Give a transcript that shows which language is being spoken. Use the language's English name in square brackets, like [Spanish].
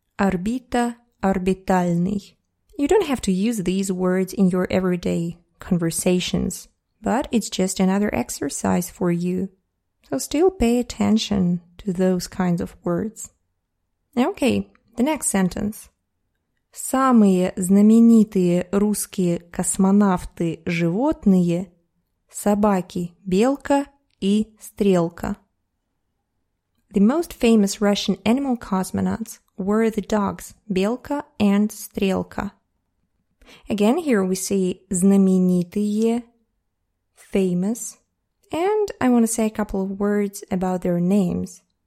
[Russian] Орбита, орбитальный. [English] You don't have to use these words in your everyday conversations, but it's just another exercise for you. So still pay attention to those kinds of words. Okay, the next sentence. [Russian] Самые знаменитые русские космонавты-животные – собаки Белка и Стрелка. [English] The most famous Russian animal cosmonauts were the dogs Белка and Стрелка. Again, here we see знаменитые, famous, and I want to say a couple of words about their names.